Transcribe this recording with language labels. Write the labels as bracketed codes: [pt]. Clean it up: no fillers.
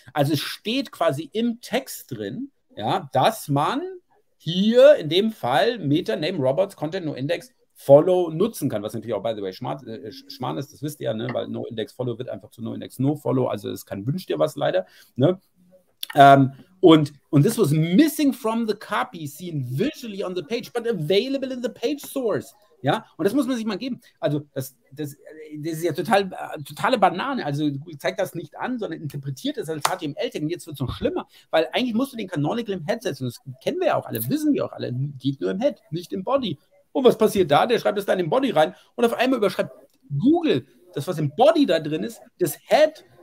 [de] Also es steht quasi im Text drin, ja, dass man hier in dem Fall meta name robots, content no index Follow nutzen kann, was natürlich auch, [en] by the way, [de] schmarrn ist, das wisst ihr ja, ne? Weil No-Index-Follow wird einfach zu No-Index-No-Follow, also es kann wünscht dir was leider. Ne? [en] Und this was missing from the copy seen visually on the page, but available in the page source. [de] Ja, und das muss man sich mal geben. Also das ist ja totale Banane. Also Google zeigt das nicht an, sondern interpretiert es als HTML-Tag. Und jetzt wird es noch schlimmer, weil eigentlich musst du den Canonical im Head setzen. Das kennen wir ja auch alle, wissen wir auch alle. Geht nur im Head, nicht im Body. Und was passiert da? Der schreibt es dann im Body rein und auf einmal überschreibt Google das, was im Body da drin ist, das Head